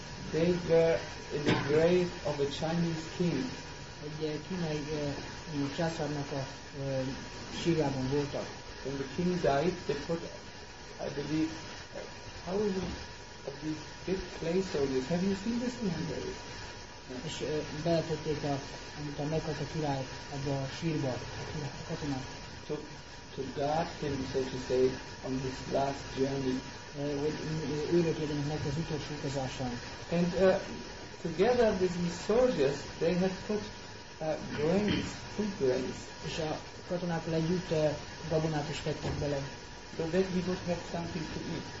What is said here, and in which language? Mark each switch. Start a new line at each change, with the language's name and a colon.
English: They were in the grave of a Chinese king.
Hungarian: Egy kínai császárnak a sírjában voltak.
English: When the king died, they put, I believe, how many of these big clay soldiers? Have you seen this in Hungary?
Hungarian: És beletették a, amit a meghalt a király ebbe a sírba, a katonát.
English: To guard him, so to say, on his last journey
Hungarian: hogy őrök legyenek neki az utolsó utazásán.
English: And together with these soldiers, they had put grains, food grains.
Hungarian: És a katonákkal együtt gabonát is tettek bele.
English: So that we would have something to eat.